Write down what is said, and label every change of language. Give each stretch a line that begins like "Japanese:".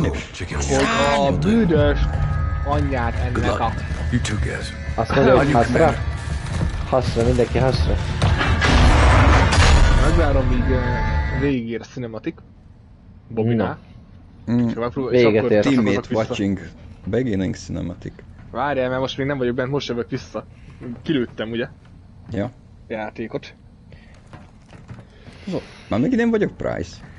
Hungarian: Hogy a büdös anyját ennek a... Azt mondja, hogy hátra? Hasra, mindenki hasra. Megvárom, míg végigér a cinematic. Bobina. Véget ér.
English: Teammate watching beginning cinematic.
Hungarian: Várjál, mert most még nem vagyok bent, most jövök vissza. Kilőttem, ugye? Ja. Játékot. Már megint én vagyok Price.